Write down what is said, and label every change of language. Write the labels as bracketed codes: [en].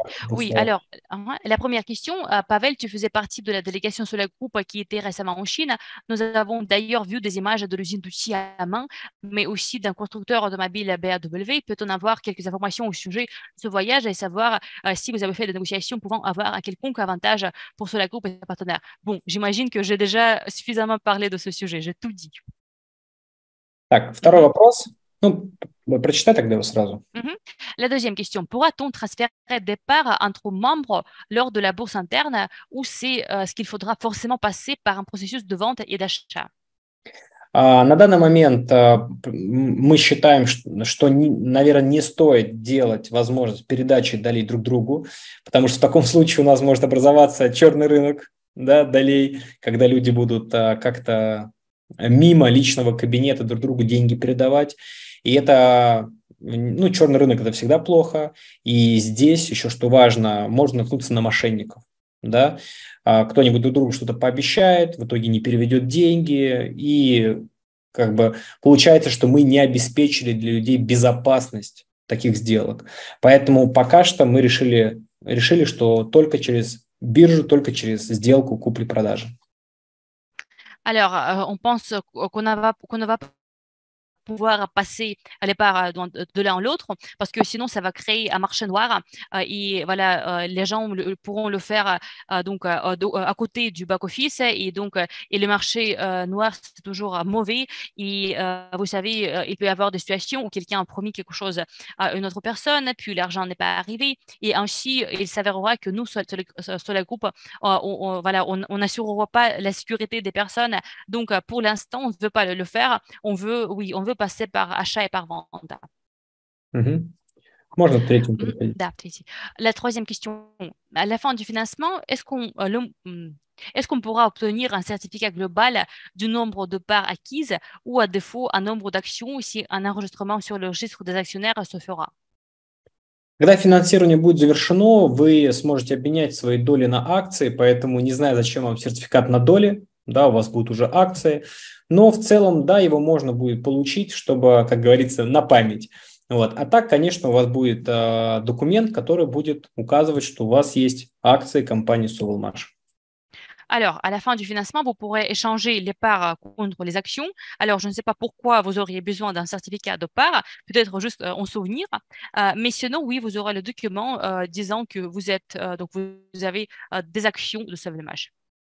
[fr] Oui, alors, la première question, Pavel, tu faisais partie de la délégation sur la groupe qui était récemment en Chine. Nous avons d'ailleurs vu des images de l'usine d'outils à main, mais aussi d'un constructeur automobile BMW. Peut-on avoir quelques informations au sujet de ce voyage et savoir si vous avez fait des négociations pouvant avoir un quelconque avantage pour Solar Group et ses partenaires? Bon, j'imagine que j'ai déjà suffisamment parlé de ce sujet, j'ai tout dit. [ru] Так, второй вопрос. Ну, прочитай тогда его сразу. [fr] La deuxième question. Pourra-t-on transférer des parts entre membres lors de la bourse interne ou c'est ce qu'il faudra forcément passer par un processus de vente et d'achat? [ru] На данный момент мы считаем, что наверное, не стоит делать возможность передачи долей друг другу, потому что в таком случае у нас может образоваться черный рынок, да, долей, когда люди будут как-то мимо личного кабинета друг другу деньги передавать. И это, ну, черный рынок – это всегда плохо. И здесь еще, что важно, можно наткнуться на мошенников, да. Кто-нибудь друг другу что-то пообещает, в итоге не переведет деньги. И как бы получается, что мы не обеспечили для людей безопасность таких сделок. Поэтому пока что мы решили, что только через биржу, только через сделку купли-продажи. [fr] Alors, on pense qu'on ne va pas pouvoir passer les parts de l'un à l'autre parce que sinon, ça va créer un marché noir. Et voilà, les gens pourront le faire donc, à côté du back-office. Et donc, et le marché noir, c'est toujours mauvais. Et vous savez, il peut y avoir des situations où quelqu'un a promis quelque chose à une autre personne, puis l'argent n'est pas arrivé. Et ainsi, il s'avérera que nous, sur la groupe, on n'assurera pas la sécurité des personnes. Donc, pour l'instant, on ne veut pas le faire. On veut passer par achat et par vente. [ru] Можно третью. Да, третью. [fr] La troisième question. À la fin du financement, est-ce qu'on Est-ce qu'on pourra obtenir un certificat global du nombre de parts acquises ou à défaut un nombre d'actions si un enregistrement sur le registre des actionnaires se fera? [ru] Когда финансирование будет завершено, вы сможете обменять свои доли на акции, поэтому не знаю, зачем вам сертификат на доли, да, у вас будут уже акции, но в целом, да, его можно будет получить, чтобы, как говорится, на память. Вот. А так, конечно, у вас будет документ, который будет указывать, что у вас есть акции компании Sovelmash. [fr] Alors, à la fin du financement, vous pourrez échanger les parts contre les actions. Alors, je ne sais pas pourquoi vous auriez besoin d'un certificat de part, peut-être juste en souvenir. Mais sinon, oui, vous aurez le document disant que vous êtes, donc vous avez des actions de Sovelmash.